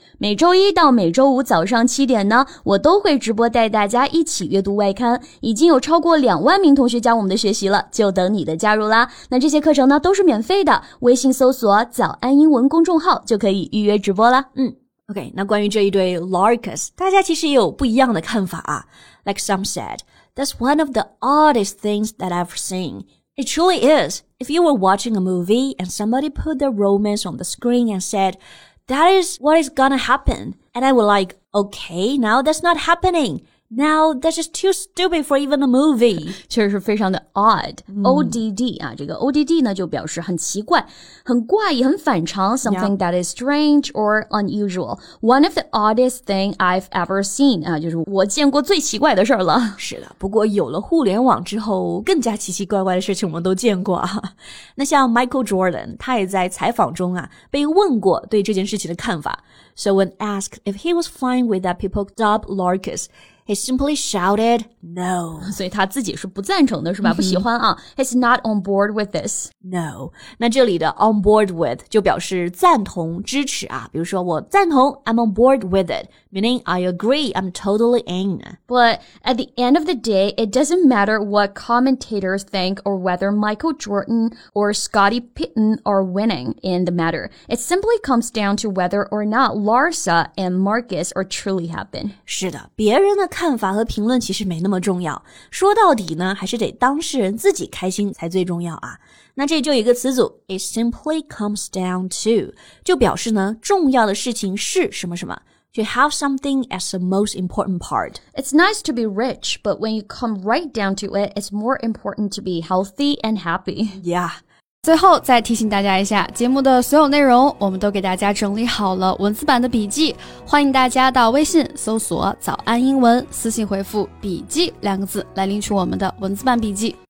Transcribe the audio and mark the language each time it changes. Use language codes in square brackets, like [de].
[zh] 每周一到每周五早上七点呢，我都会直播带大家一起阅读外刊，已经有超过20,000名同学加我们的学习了，就等你的加入啦。那这些课程呢都是免费的，微信搜索早安英文公众号就可以预约直播啦。 OK, 那关于这一对 Larkus, 大家其实也有不一样的看法啊。 [en] Like some said, that's one of the oddest things that I've seen. It truly is. If you were watching a movie and somebody put their romance on the screen and said, that is what is gonna happen. And I was like, okay, now that's not happening. Now that's just too stupid for even a movie. [zh] 确实是非常的 odd.、ODD 啊，这个 ODD 呢就表示很奇怪，很怪异，很反常。 [en] Something、yeah. that is strange or unusual. One of the oddest thing I've ever seen. [zh] 啊，就是我见过最奇怪的事儿了。是的，不过有了互联网之后，更加奇奇怪怪的事情我们都见过啊。那像 Michael Jordan, 他也在采访中啊，被问过对这件事情的看法。 [en] So when asked if he was fine with that people dub Larkus,He simply shouted, no. [zh] 所以他自己是不赞成的是吧、不喜欢啊。 [en] He's not on board with this. [zh] No. 那这里的 [en] on board with [zh] 就表示赞同支持啊。比如说我赞同 [en] I'm on board with it. Meaning I agree, I'm totally in. But at the end of the day, it doesn't matter what commentators think or whether Michael Jordan or Scottie Pippen are winning in the matter. It simply comes down to whether or not Larsa and Marcus are truly happy. [zh] 是的，别人呢看法和评论其实没那么重要，说到底呢，还是得当事人自己开心才最重要啊。那这就一个词组 ， [en] it simply comes down to， [zh] 就表示呢，重要的事情是什么什么。 [en] To have something as the most important part. It's nice to be rich, but when you come right down to it, it's more important to be healthy and happy. Yeah. [zh] 最后再提醒大家一下，节目的所有内容我们都给大家整理好了文字版的笔记，欢迎大家到微信搜索早安英文，私信回复笔记两个字来领取我们的文字版笔记。